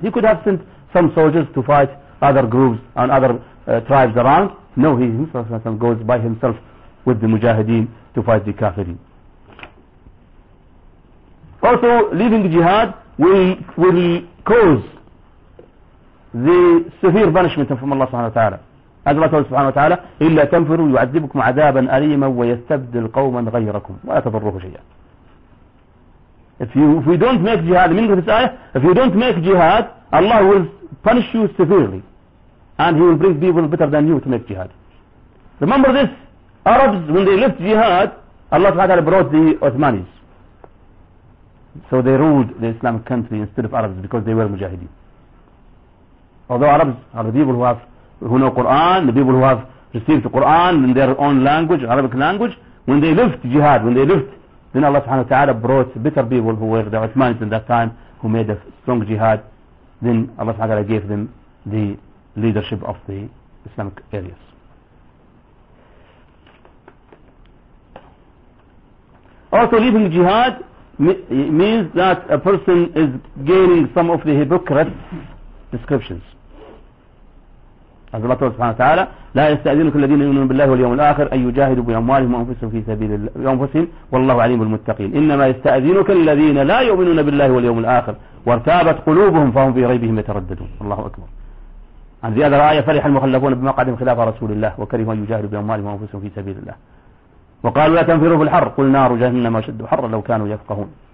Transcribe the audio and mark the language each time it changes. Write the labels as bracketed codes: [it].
[en] He could have sent some soldiers to fight other groups and other tribes around. No, he himself goes by himself with the mujahideen to fight the kafirin. Also, leaving jihad will cause the severe punishment from Allah subhanahu wa ta'ala. As Allah told subhanahu wa ta'ala, [ar] إِلَّا تَنْفِرُوا يُعَذِّبُكُمْ عَذَابًا أَلِيمًا وَيَسْتَبْدِلْ قَوْمًا غَيْرَكُمْ وَلَا تَضُرُّهُ شَيْئًا. [en] If we don't make jihad, meaning this ayah, if you don't make jihad, Allah will punish you severely, and he will bring people better than you to make jihad. Remember this, Arabs, when they left jihad, Allah subhanahu wa ta'ala brought the Ottomans. So they ruled the Islamic country instead of Arabs, because they were mujahideen. Although Arabs are the people who know Quran, the people who have received the Quran in their own language, Arabic language, when they left jihad, then Allah subhanahu wa ta'ala brought better people who were the Uthmanis in that time, who made a strong jihad. Then Allah subhanahu wa ta'ala gave them the leadership of the Islamic areas. Also, leaving jihad means that a person is gaining some of the hypocrite descriptions. As Allah told subhanahu wa ta'ala, [ar] لا يستأذنك الذين يؤمنون بالله واليوم الآخر أن يجاهدوا بأموالهم وأنفسهم في سبيل أنفسهم والله عليم بالمتقين. إنما يستأذنك الذين لا يؤمنون بالله واليوم الآخر وارتابت قلوبهم فهم في ريبهم يترددون. الله أكبر. عن زيادة الآية, فرح المخلفون بمقعدهم خلاف رسول الله وكرهوا أن يجاهدوا بأموالهم وأنفسهم في سبيل الله وقالوا لا تنفروا في الحر قل نار جهنم أشد حرا لو كانوا يفقهون.